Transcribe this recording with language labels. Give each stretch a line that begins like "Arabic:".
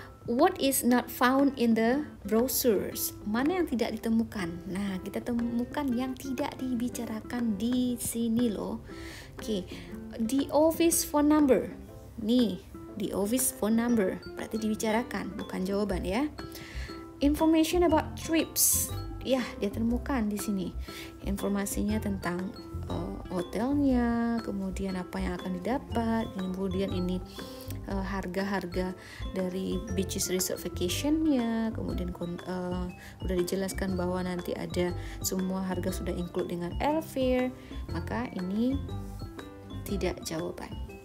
English: What is not found in the brochures?
Indonesian: Mana yang tidak ditemukan? Nah, kita temukan yang tidak dibicarakan di sini loh.
English: Oke, the office phone number. Nih, the office phone number.
Indonesian: Berarti dibicarakan, bukan jawaban ya.
English: Information about trips.
Indonesian: Ya, dia temukan di sini. Informasinya tentang hotelnya, kemudian apa yang akan didapat, kemudian ini harga-harga dari beaches resort vacation-nya, kemudian sudah dijelaskan bahwa nanti ada semua harga sudah include dengan airfare, maka ini tidak jawaban.